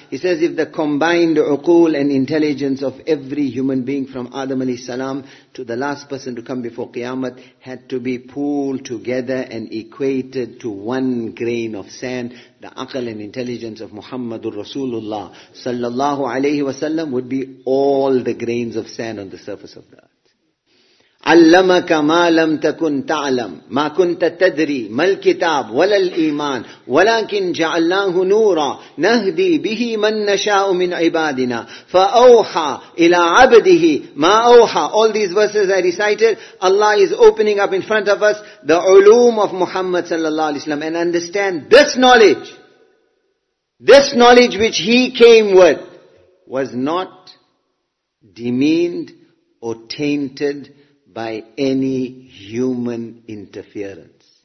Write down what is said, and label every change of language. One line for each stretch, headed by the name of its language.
English: He says, if the combined uqul and intelligence of every human being from Adam alayhi salam to the last person to come before Qiyamah had to be pooled together and equated to one grain of sand, the aql and intelligence of Muhammadur Rasulullah sallallahu alayhi wa sallam would be all the grains of sand on the surface of the earth.
Arabic: علمك ما لم تكن تعلم ما كنت تدري ما الكتاب ولا الإيمان ولكن جعلناه نورا نهدي به من نشاء من عبادنا فأوحى إلى عبده ما أوحى.
English: All these verses I recited, Allah is opening up in front of us the uloom of Muhammad sallallahu alaihi wasallam, and understand this knowledge which he came with was not demeaned or tainted by any human interference.